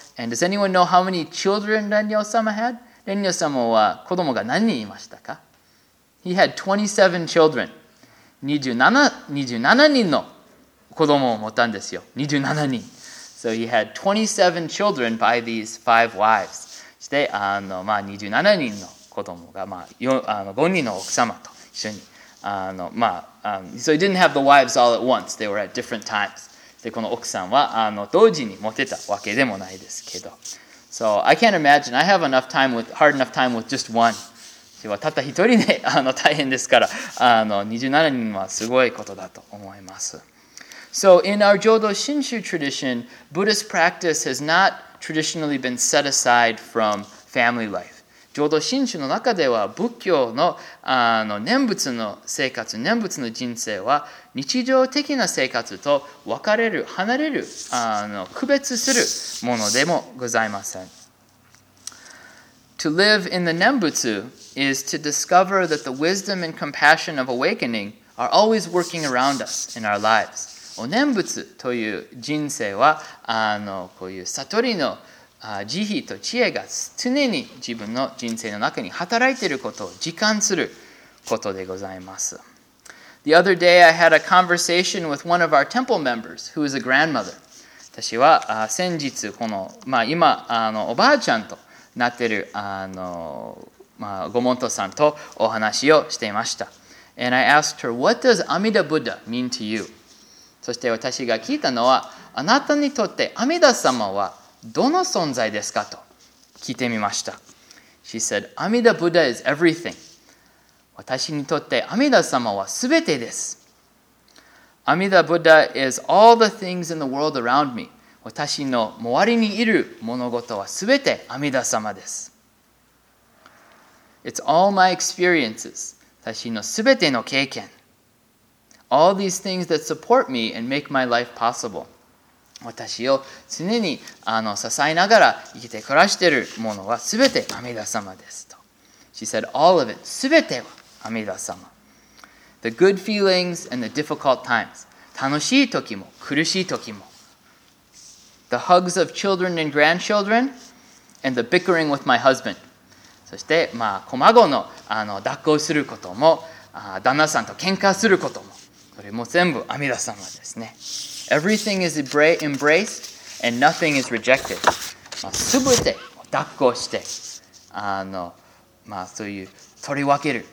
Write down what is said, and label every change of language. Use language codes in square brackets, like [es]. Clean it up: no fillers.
[en] And does anyone know how many children 蓮如様 had? [ja] 蓮如様は子供が何人いましたか? [en] He had 27 children. [ja] 27人の子供を持ったんですよ。 27人。 [en] So he had 27 children by these five wives. [ja] そして、あの、まあ、27人の子供が、まあ、あの、5人の奥様と一緒に。あの、まあ、 [en] So he didn't have the wives all at once. They were at different times. [ja] で、この奥さんは、あの、同時に持てたわけでもないですけど。 [en] So I can't imagine. I have hard enough time with just one. [ja] 私はたった一人で、あの、大変ですから、あの、27人はすごいことだと思います。 [en] So in our Jodo Shinshu tradition, Buddhist practice has not traditionally been set aside from family life. [ja] Jodo Shinshu の中では仏教 の, あの念仏の生活、念仏の人生は日常的な生活と別れる、離れる、あの区別するものでもございません。 [en] To live in the Nembutsu is to discover that the wisdom and compassion of awakening are always working around us in our lives. [ja] お念仏という人生はあのこういう悟りの慈悲と知恵が常に自分の人生の中に働いていることを実感することでございます。 [en] The other day I had a conversation with one of our temple members who is a grandmother. [ja] 私は先日この、まあ、今あのおばあちゃんとなっているあの、まあ、ご門徒さんとお話をしていました。 [en] And I asked her, what does Amida Buddha mean to you? [ja] そして私が聞いたのは、あなたにとって阿弥陀様はどの存在ですかと聞いてみました。 [en] She said, 阿弥陀 Buddha is everything. [ja] 私にとって阿弥陀様はすべてです。 [en] 阿弥陀 Buddha is all the things in the world around me. [ja] 私の周りにいる物事はすべて阿弥陀様です。 [en] It's all my experiences. [ja] 私のすべての経験。 [en] All these things that support me and make my life possible. [ja] 私を常に支えながら生きて暮らしているものはすべて阿弥陀様ですと。 [en] She said, all of it, [ja] すべては阿弥陀様。 [en] The good feelings and the difficult times. [ja] 楽しい時も苦しい時も。 [en] The hugs of children and grandchildren and the bickering with my husband. [ja] そして、まあ、子孫の、抱っこをすることも、旦那さんと喧嘩することも。これも全部阿弥陀様ですね。 [en] Everything is embraced and nothing is rejected. [ja] まあ、すべて抱っこして、まあ、そういう取り分ける。